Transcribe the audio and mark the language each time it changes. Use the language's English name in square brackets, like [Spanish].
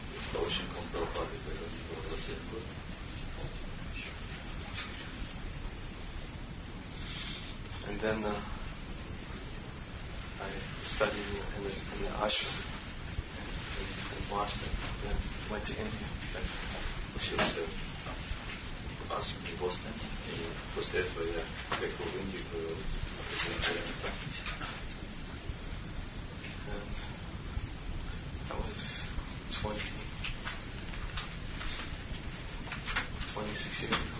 [Russian] Стал учеником Прабхупады, когда мне было 27 лет. [English] And then I studied in the ashram in Boston, then went to India. [Russian] Учился в ашраме в Бостоне. И после этого я поехал в Индию, провел определенное время в практике. [English] I was 26 years ago.